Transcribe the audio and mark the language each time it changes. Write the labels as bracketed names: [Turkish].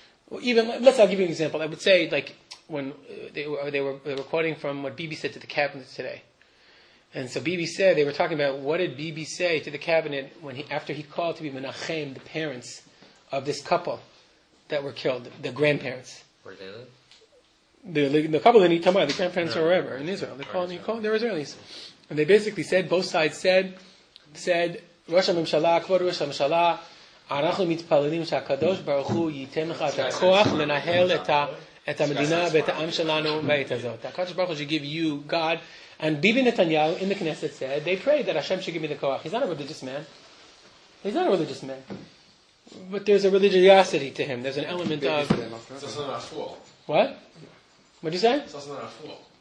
[English] Let's I'll give you an example. I would say, like, when they were quoting from what Bibi said to the cabinet today, and so Bibi said, they were talking about what did Bibi say to the cabinet after he called to be Menachem the parents of this couple that were killed, the grandparents. Where they live? The couple in Itamar, the grandparents are wherever in Israel. They're Israelis, and they basically said both sides said Rosh HaMemshala, Kvod Rosh HaMemshala, [Hebrew] אנחנו מתפללים שהקדוש ברוך הוא ייתן לך את הכוח לנהל את המדינה ואת העם שלנו בעת הזאת. [English] הקדוש ברוך הוא שגיב you God, and Bibi Netanyahu in the Knesset said, they prayed that Hashem should give me the כוח. He's not a religious man. He's not a religious man. But there's a religiosity to him. There's an element of... It's also not a fool. What? What did you say? It's also not a fool.